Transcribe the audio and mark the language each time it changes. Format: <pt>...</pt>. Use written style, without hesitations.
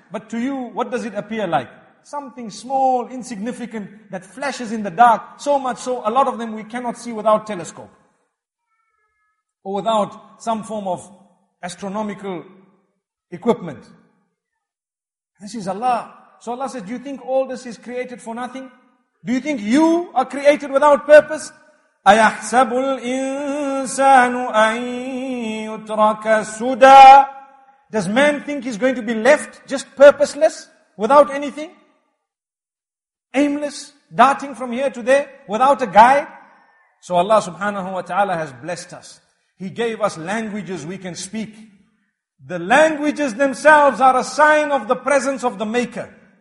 <en>But to you, what does it appear like? Something small, insignificant, that flashes in the dark, so much so, a lot of them we cannot see without telescope. Or without some form of astronomical equipment. This is Allah. So Allah says, do you think all this is created for nothing? Do you think you are created without purpose?</en> <ar>أَيَحْسَبُ الْإِنسَانُ أَن يُتْرَكَ سُدَى.</ar> <en>Does man think he's going to be left just purposeless, without anything? Aimless, darting from here to there, without a guide? So Allah subhanahu wa ta'ala has blessed us. He gave us languages we can speak. The languages themselves are a sign of the presence of the Maker.</en>